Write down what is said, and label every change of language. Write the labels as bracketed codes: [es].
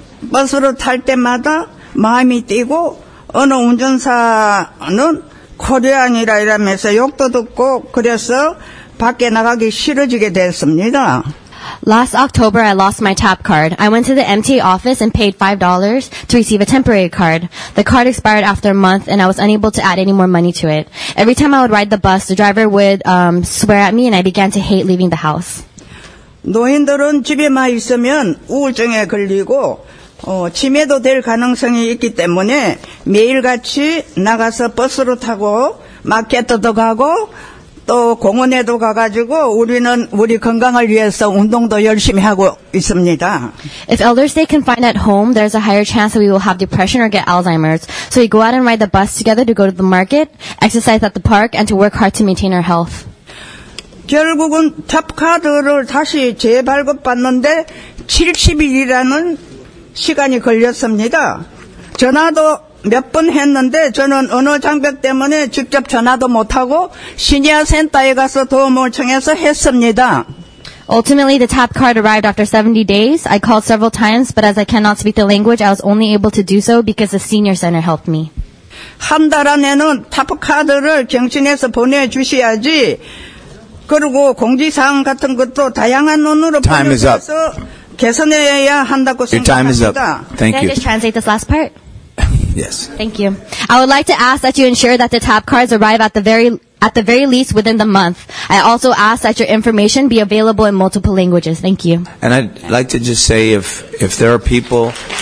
[ko] 버스를 탈 때마다 마음이 뛰고 어느 운전사는 코리안이라 이러면서 욕도 듣고 그래서 밖에 나가기 싫어지게 됐습니다. [en] Last October, I lost my tap card. I went to the MTA office and paid $5 to receive a temporary card. The card expired after a month, and I was unable to add any more money to it. Every time I would ride the bus, the driver would swear at me, and I began to hate leaving the house. [ko] 노인들은 집에만 있으면 우울증에 걸리고 치매도 될 가능성이 있기 때문에 매일같이 나가서 버스로 타고 마켓도 가고 또 공원에도 가가지고 우리는 우리 건강을 위해서 운동도 열심히 하고 있습니다. [en] If elders stay confined at home, there's a higher chance that we will have depression or get Alzheimer's. So we go out and ride the bus together to go to the market, exercise at the park, and to work hard to maintain our health. [ko] 결국은 탑카드를 다시 재발급받는데 70일이라는 시간이 걸렸습니다. 전화도 몇 번 했는데 저는 언어 장벽 때문에 직접 전화도 못하고 시니어 센터에 가서 도움을 청해서 했습니다. [en] Ultimately, the tap card arrived after 70 days. I called several times, but as I cannot speak the language, I was only able to do so because the senior center helped me. [ko] 한 달 안에는 탑카드를 경신해서 보내주셔야지 그리고 공지사항 같은 것도 다양한 언어로 보내줘서 개선해야 한다고 생각합니다. [en] Your time is up. Thank you. Can I just translate this last part? Yes. Thank you. I would like to ask that you ensure that the tap cards arrive at the very least within the month. I also ask that your information be available in multiple languages. Thank you. And I'd like to just say if there are people...